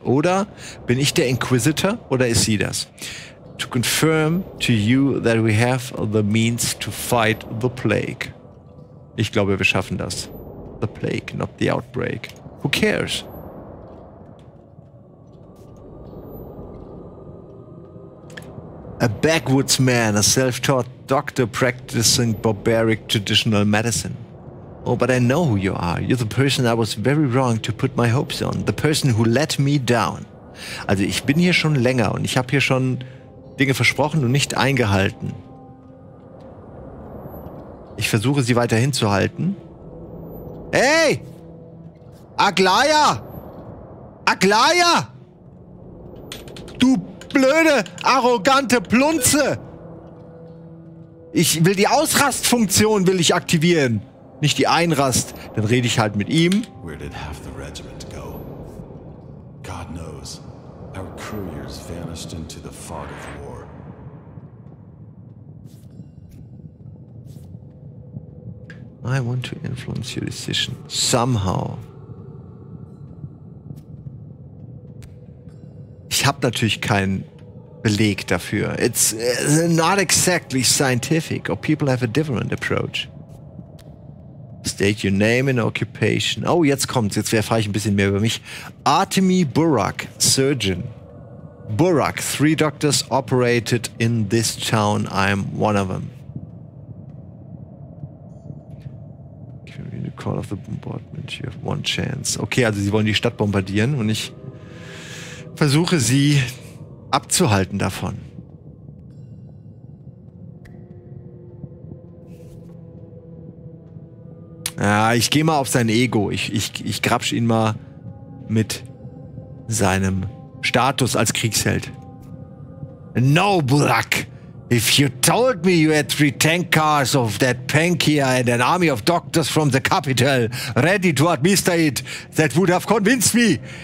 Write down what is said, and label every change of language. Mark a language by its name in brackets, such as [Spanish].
[German] Oder bin ich der Inquisitor oder ist sie das? [English] To confirm to you that we have the means to fight the plague. [German] Ich glaube, wir schaffen das. [English] The plague, not the outbreak. Who cares? A backwoods man, a self-taught doctor practicing barbaric traditional medicine. Oh, but I know who you are. You're the person I was very wrong to put my hopes on. The person who let me down. [German] Also, ich bin hier schon länger und ich habe hier schon Dinge versprochen und nicht eingehalten. Ich versuche, sie weiterhin zu halten. Hey! Aglaya! Aglaya! Du blöde, arrogante Plunze! Ich will die Ausrastfunktion will ich aktivieren. Nicht die Einrast, dann rede ich halt mit ihm. [English] Where did half the regiment go? God knows, our couriers vanished into the fog of war. I want to influence your decision somehow. [German] Ich habe natürlich keinen Beleg dafür. [English] It's not exactly scientific, or people have a different approach. State your name and occupation. Oh, [German] jetzt kommt's. Jetzt erfahre ich ein bisschen mehr über mich. [English] Artemy Burak, Surgeon. Burak, 3 doctors operated in this town. I'm one of them. Can you call off the bombardment? You have one chance. [German] Okay, also sie wollen die Stadt bombardieren und ich versuche sie abzuhalten davon. Ja, ich gehe mal auf sein Ego. Ich grapsch ihn mal mit seinem Status als Kriegsheld. [English] No, Burak. If you told me you had 3 tank cars of that Pankia and an army of doctors from the capital ready to administer it, that would have convinced me.